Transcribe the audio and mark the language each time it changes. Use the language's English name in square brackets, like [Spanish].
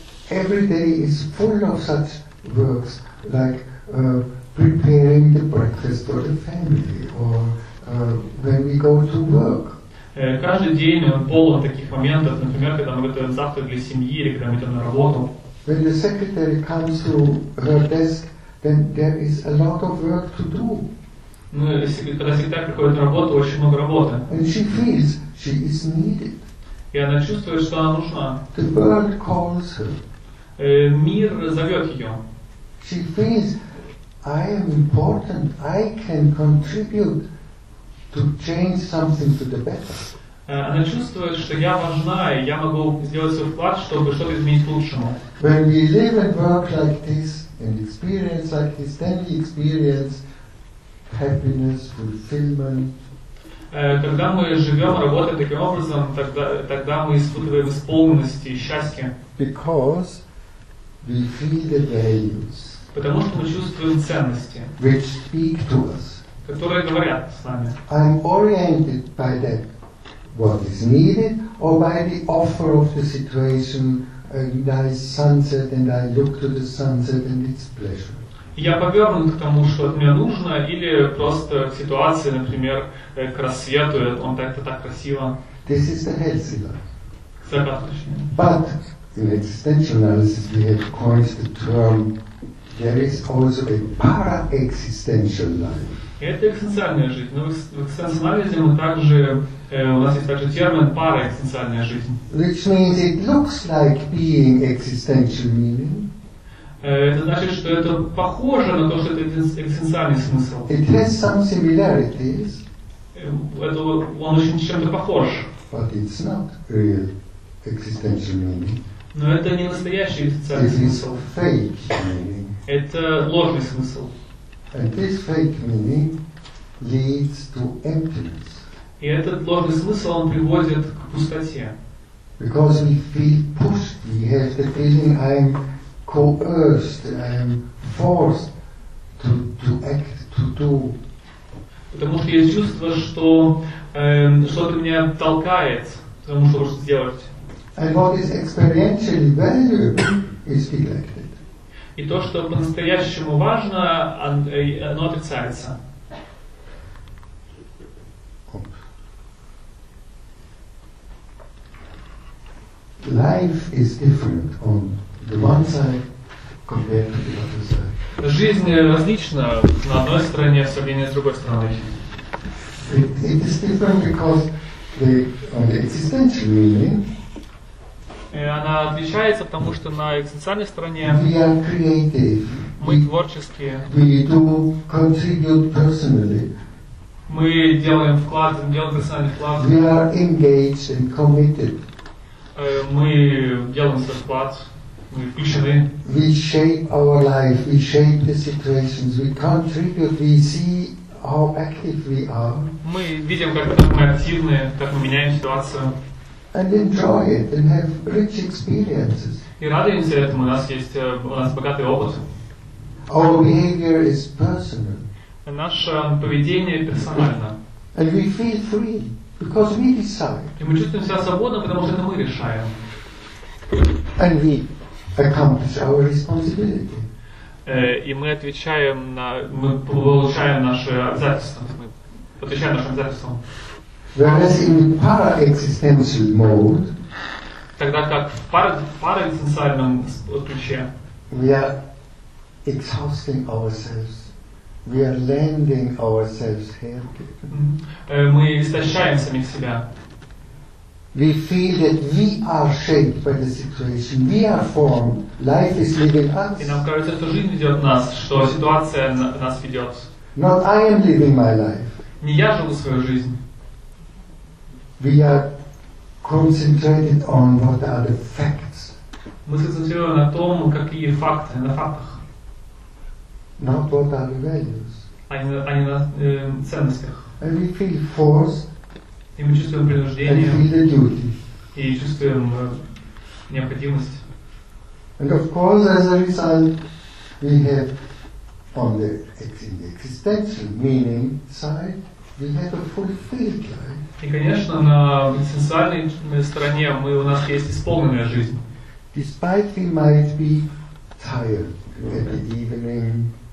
[English] Every day is full of such works, like preparing the breakfast for the family, or when we go to work. [Russian] Каждый день он полон таких моментов, например, когда мы готовим завтрак для семьи или когда мы идем на работу. [English] When the secretary comes to her desk, then there is a lot of work to do. [Russian] Ну, когда секретарь приходит на работу, очень много работы. [English] And she feels she is needed. [Russian] И она чувствует, что она нужна. [English] The world calls her. [Russian] Мир зовет ее. [English] She feels I am important. I can contribute to change something to the better. [Russian] Она чувствует, что я важна и я могу сделать свой вклад, чтобы что-то изменить к лучшему. [English] When we live and work like this and experience like this, then we experience happiness, fulfillment. [Russian] Когда мы живем, работаем таким образом, тогда мы испытываем исполненность и счастье. [English] Because we feel the values. [Russian] Потому что мы чувствуем ценности. [English] Which speak to us. [Russian] Которые говорят с нами. [English] I'm oriented by that. What is needed, or by the offer of the situation? And I sunset, and I look to the sunset, and it's pleasure. [Russian] Я повернут к тому, что мне нужно, или просто к ситуации, например, к рассвету, он так-то так красиво. [English] This is the healthy life. [Russian] Согласен. [English] But in existential analysis we have coined the term there is also a para-existential life. [Russian] Это экзистенциальная жизнь. Но в экзистенциализме мы также у нас есть также термин параэкзистенциальная жизнь. [English] Which means it looks like being existential meaning. [Russian] Это значит, что это похоже на то, что это экзистенциальный смысл. [English] It has some similarities. [Russian] Это он очень чем-то похож. [English] But it's not real existential meaning. [Russian] Но это не настоящий экзистенциальный смысл. [English] It is fake meaning. [Russian] Это ложный смысл. [English] And this fake meaning leads to emptiness. [Russian] И этот ложный смысл он приводит к пустоте. [English] Because we feel pushed, we have the feeling I'm coerced, I'm forced to act, to do. [Russian] Потому что есть чувство, что что-то меня толкает, потому что нужно сделать. [English] And what is experientially valuable is neglected. [Russian] И то, что по-настоящему важно, оно отрицается. [English] Life is different on the one side compared to the other side. [Russian] Жизнь различна на одной стороне, в сравнении с другой стороной. [English] It is different because the on the existential meaning. [Russian] Она отличается, потому что на экзистенциальной стороне [English] we are creative. [Russian] Мы творческие. [English] We do contribute personally. [Russian] Мы делаем вклад, делаем персональный вклад. [English] We are engaged and committed. [Russian] Мы делаем свой вклад, мы включены. [English] We shape our life, we shape the situations, we contribute, we see how active we are. [Russian] Мы видим, как мы активны, как мы меняем ситуацию. [English] And enjoy it and have rich experiences. [Russian] И радуемся этому, у нас богатый опыт. [English] Our behavior is personal. [Russian] Наше поведение персонально. [English] And we feel free because we decide. [Russian] И мы чувствуем себя свободно, потому что это мы решаем. [English] And we accomplish our responsibility. [Russian] И мы отвечаем на, мы получаем наши обязательства, мы отвечаем нашим обязательствам. [English] Whereas in para-existential mode, [Russian] тогда как в параэкзистенциальном ключе, [English] we are exhausting ourselves, we are landing ourselves here. [Russian] Мы истощаем самих себя. [English] We feel that we are shaped by the situation. We are formed. Life is living us. [Russian] И нам кажется, что жизнь ведет нас, что ситуация нас ведет. [English] Not I am living my life. [Russian] Не я живу свою жизнь. [English] We are concentrated on what are the facts. [Russian] Мы сосредоточены на том, какие факты, на фактах. [English] Not what are the values. [Russian] А не на ценностях. [English] And we feel forced. [Russian] И мы чувствуем принуждение. [English] And feel the duty. [Russian] И чувствуем необходимость. [English] And of course, as a result, we have on the existential meaning side. We have a fulfilled life. [Russian] И, конечно, на эссенциальной стороне у нас есть исполненная жизнь. [English] Despite we might be tired at the evening.